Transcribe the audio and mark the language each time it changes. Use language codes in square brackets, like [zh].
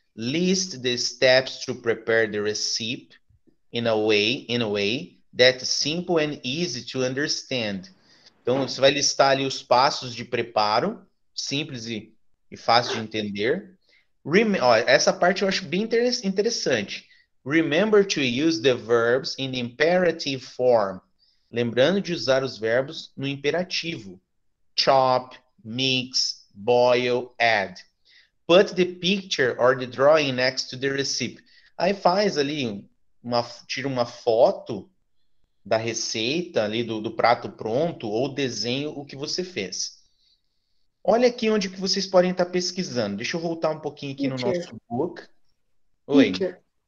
[en] List the steps to prepare the recipe in a way that's simple and easy to understand. [pt] Então, você vai listar ali os passos de preparo, simples e fácil de entender. Essa parte eu acho bem interessante. [en] Remember to use the verbs in the imperative form. [pt] Lembrando de usar os verbos no imperativo. [en] Chop, mix, boil, add. Put the picture or the drawing next to the recipe. [pt] Aí faz ali, tira uma foto da receita, ali do prato pronto, ou desenho o que você fez. Olha aqui onde que vocês podem estar pesquisando. Deixa eu voltar um pouquinho aqui, Peter. No nosso book. Oi. Peter.